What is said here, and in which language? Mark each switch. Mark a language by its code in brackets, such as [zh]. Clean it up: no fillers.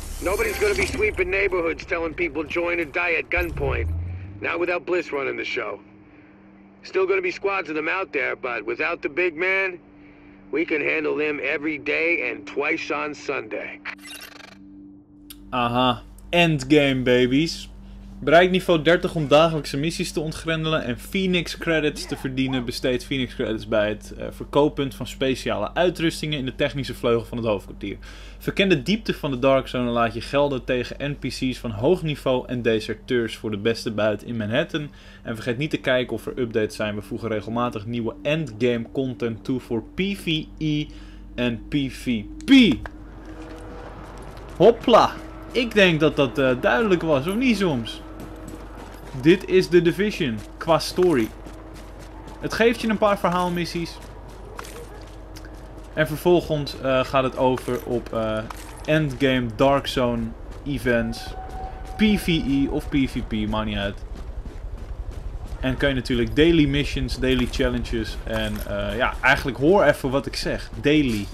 [en] Nobody's gonna be sweeping neighborhoods telling people join or die at gunpoint. Not without Bliss running the show. Still gonna be squads of them out there, but without the big man, we can handle them every day and twice on Sunday. Aha. Endgame, babies. [nl] Bereik niveau 30 om dagelijkse missies te ontgrendelen en Phoenix credits te verdienen. Besteed Phoenix credits bij het verkooppunt van speciale uitrustingen in de technische vleugel van het hoofdkwartier. Verken de diepte van de Dark Zone en laat je gelden tegen NPC's van hoog niveau en deserteurs voor de beste buit in Manhattan. En vergeet niet te kijken of er updates zijn. We voegen regelmatig nieuwe endgame content toe voor PvE en PvP. Hopla! Ik denk dat dat duidelijk was, of niet soms? Dit is The Division, qua story. Het geeft je een paar verhaalmissies. En vervolgens gaat het over op Endgame Dark Zone events. PvE of PvP, maakt niet uit. En kun je natuurlijk daily missions, daily challenges en ja, eigenlijk hoor even wat ik zeg. Daily.